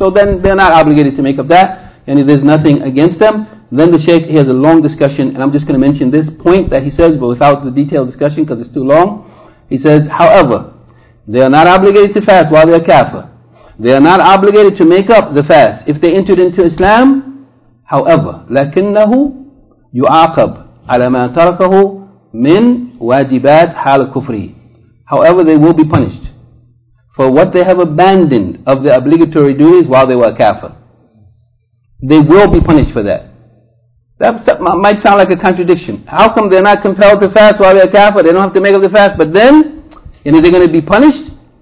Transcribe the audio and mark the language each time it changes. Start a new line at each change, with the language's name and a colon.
English: So then they're not obligated to make up that, yani there's nothing against them. Then the Shaykh, he has a long discussion, and I'm just going to mention this point that he says, but without the detailed discussion, because it's too long. He says, however, they are not obligated to fast while they are kafir. They are not obligated to make up the fast if they entered into Islam.
Arabic: However, لَكِنَّهُ يُعَاقَبْ عَلَى مَا تَرَكَهُ مِنْ وَاجِبَاتْ حَالَ كُفْرِهِ.
English: However, they will be punished for what they have abandoned of the obligatory duties while they were kafir. They will be punished for that. That might sound like a contradiction. How come they're not compelled to fast while they're kafir? They don't have to make up the fast, but then, and they're going to be punished?